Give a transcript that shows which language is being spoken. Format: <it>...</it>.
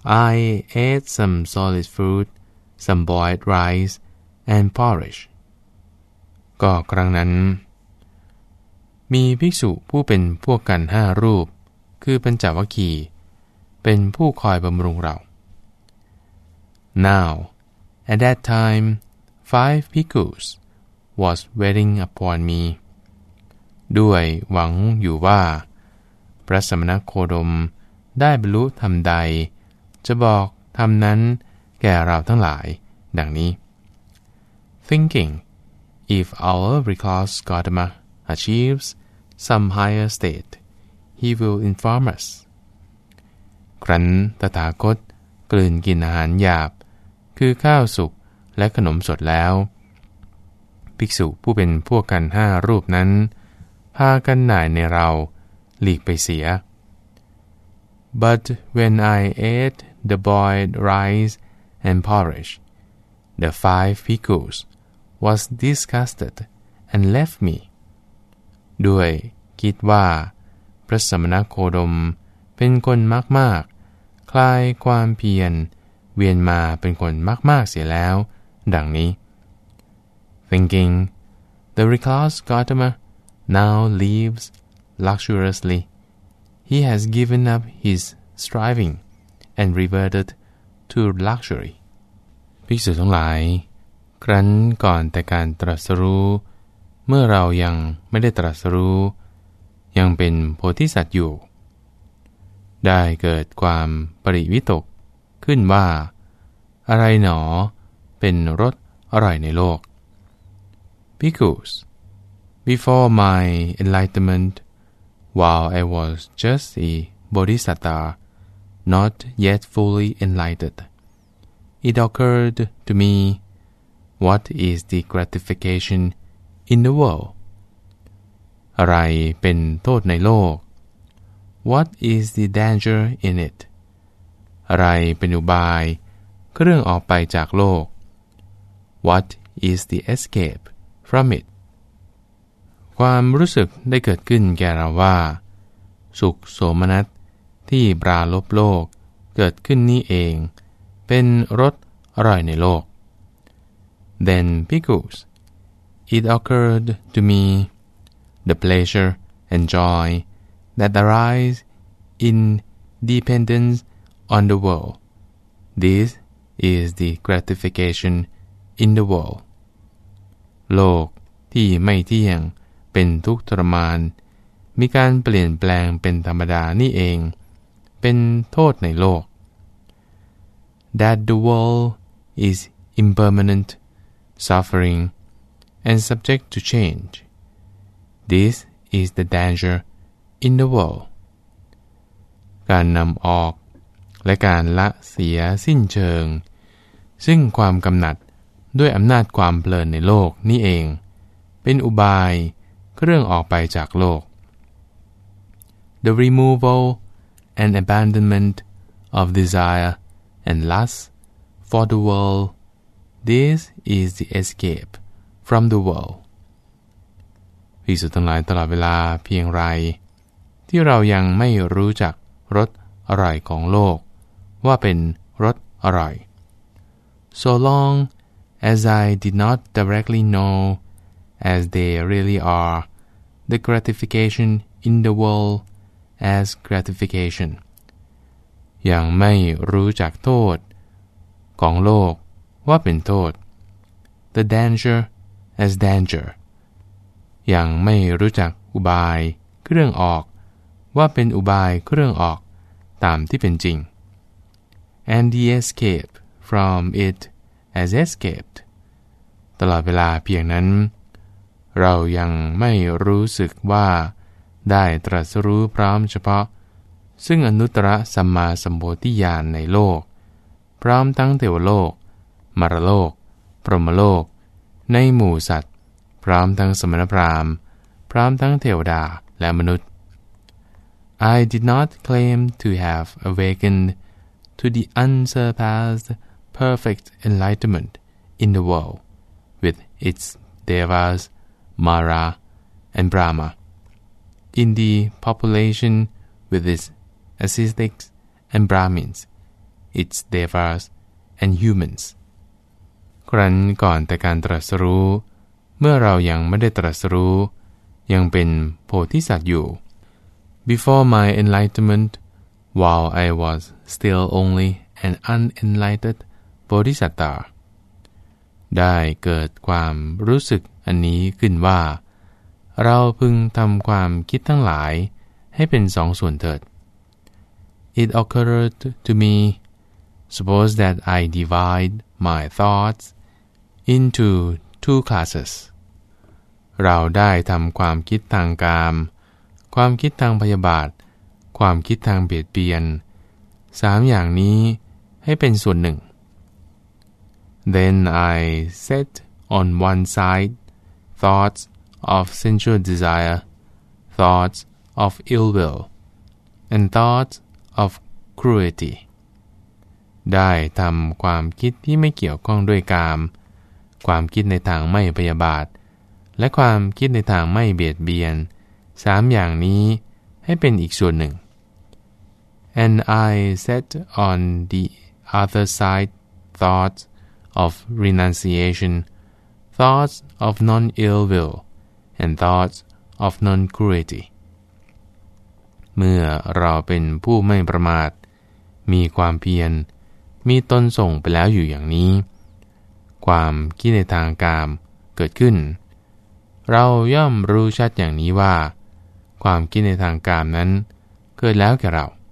<en>I ate some solid food, some boiled rice and porridge.</en> <th>ก็ครั้งนั้นมีภิกษุผู้เป็นพวกกัน5รูปคือปัญจวัคคีย์เป็นผู้คอยบำรุงเรา</th> <en>Now, at that timeFive bhikkhus was waiting upon me,</en> <th>ด้วยหวังอยู่ว่าพระสมณโคดมได้บรรลุธรรมใดจะบอกธรรมนั้นแก่เราทั้งหลายดังนี้</th> <en>Thinking, if our recluse Gautama achieves some higher state, he will inform us.</en> <th>ครั้นตถาคตกลืนกินอาหารหยาบคือข้าวสุกและขนมสดแล้วภิกษุผู้เป็นพวกกัน5รูปนั้นพากันหน่ายในเราหลีกไปเสีย</th> <en>But when I ate the boiled rice and porridge, the five bhikkhus was disgusted and left me.</en> <th>ด้วยคิดว่าพระสมณโคดมเป็นคนมากมากคลายความเพียรเวียนมาเป็นคนมากมากเสียแล้วดังนี้</th> <en>Thinking, the recluse Gautama now lives luxuriously. He has given up his striving and reverted to luxury.</en> <th>ภิกษุทั้งหลายครั้นก่อนแต่การตรัสรู้เมื่อเรายังไม่ได้ตรัสรู้ยังเป็นโพธิสัตว์อยู่ได้เกิดความปริวิตกขึ้นว่าอะไรหนอเป็นรสอร่อยในโลก</th> <en>Because before my enlightenment, while I was just a bodhisattva, not yet fully enlightened, it occurred to me, what is the gratification in the world?</en> <th>อะไรเป็นโทษในโลก</th> <en>What is the danger in it?</en> <th>อะไรเป็นอุบายเครื่องออกไปจากโลก</th> <en>What is the escape from it?</en> <th>ความรู้สึกได้เกิดขึ้นแก่เราว่าสุขโสมนัสที่ปราลบโลกเกิดขึ้นนี้เองเป็นรสอร่อยในโลก</th> <en>Then, because it occurred to me, the pleasure and joy that arise in dependence on the world, this is the gratification in the world.</en> <th>โลกที่ไม่เที่ยงเป็นทุกข์ทรมานมีการเปลี่ยนแปลงเป็นธรรมดานี่เองเป็นโทษในโลก</th> <en>That the world is impermanent, suffering, and subject to change. This is the danger in the world.</en> <th>การนำออกและการละเสียสิ้นเชิงซึ่งความกำหนัดด้วยอำนาจความเพลินในโลกนี่เองเป็นอุบายเรื่องออกไปจากโลก</th> <en>The removal and abandonment of desire and lust for the world, this is the escape from the world.</en> <th>ภิกษุทั้งหลายตลอดเวลาเพียงไรที่เรายังไม่รู้จักรสอร่อยของโลกว่าเป็นรสอร่อย</th> <en>So long as I did not directly know as they really are the gratification in the world as gratification.</en> <th>ยังไม่รู้จักโทษของโลกว่าเป็นโทษ</th> <en>The danger as danger.</en> <th>ยังไม่รู้จักอุบายเครื่องออกว่าเป็นอุบายเครื่องออกตามที่เป็นจริง</th> <en>And the escape from it as escaped.</en> <th>ตลอดเวลาเพียงนั้นเรายังไม่รู้สึกว่าได้ตรัสรู้พร้อมเฉพาะซึ่งอนุตตรสัมมาสัมโพธิญาณในโลกพร้อมทั้งเทวโลกมรรคโลกพรหมโลกในหมู่สัตว์พร้อมทั้งสมณพราหมณ์พร้อมทั้งเทวดาและมนุษย์</th> <en>I did not claim to have awakened to the unsurpassed perfect enlightenment in the world with its devas Mara and Brahma, in the population with its ascetics and Brahmins, its devas and humans.</en> <th>ครั้นก่อนแต่การตรัสรู้เมื่อเรายังไม่ได้ตรัสรู้ยังเป็นโพธิสัตว์อยู่</th> <en>Before my enlightenment, while I was still only an unenlightened bodhisattva,</en> <th>ได้เกิดความรู้สึกอันนี้ขึ้นว่าเราพึงทำความคิดทั้งหลายให้เป็นสองส่วนเถิด</th> <en>It occurred to me, suppose that I divide my thoughts into two classes.</en> <th>เราได้ทำความคิดทางกามความคิดทางพยาบาทความคิดทางเบียดเบียนสามอย่างนี้ให้เป็นส่วนหนึ่ง</th> <en>Then I set on one side. Thoughts of sensual desire, thoughts of ill will, and thoughts of cruelty.</en> <th>ได้ทำความคิดที่ไม่เกี่ยวข้องด้วยกามความคิดในทางไม่พยาบาทและความคิดในทางไม่เบียดเบียนสามอย่างนี้ให้เป็นอีกส่วนหนึ่ง</th> <en>And I set on the other side thoughts of renunciation.Thoughts of non-ill will and thoughts of non-cruelty</en> <th>เมื่อเราเป็นผู้ไม่ประมาทมีความเพียรมีตนส่งไปแล้วอยู่อย่างนี้ความคิดในทางกามเกิดขึ้นเราย่อมรู้ชัดอย่างนี้ว่าความคิดในทางกามนั้นเกิดแล้วแก่เรา</th>